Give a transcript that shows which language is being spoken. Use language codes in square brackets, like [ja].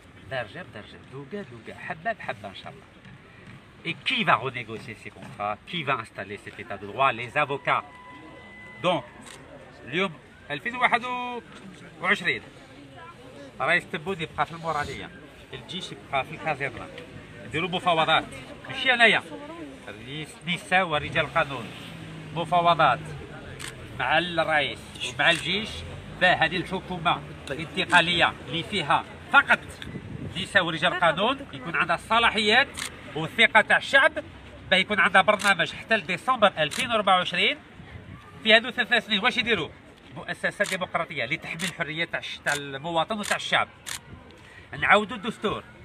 [ar] درجة بدرجة دوقة دوقة حبة بحبة إن شاء الله. [fr] Et qui va renégocier ces contrats? Qui va installer cet état de droit? Les avocats. [ar] Donc, اليوم 2021 رئيس تبو يبقى في المورالية، الجيش يبقى في الكازيرنا، يديروا مفاوضات، ماشي أنايا، النساء ورجال القانون، مفاوضات مع الرئيس ومع الجيش، فهذه الحكومة الانتقالية اللي فيها فقط النساء ورجال القانون يكون عندها الصلاحيات والثقة تاع الشعب باه يكون عندها برنامج حتى لديسمبر 2024 في هذو ثلاث سنين واش يديروا؟ مؤسسة ديمقراطية اللي تحمي الحرية تاع المواطن وتاع الشعب. نعاودوا الدستور.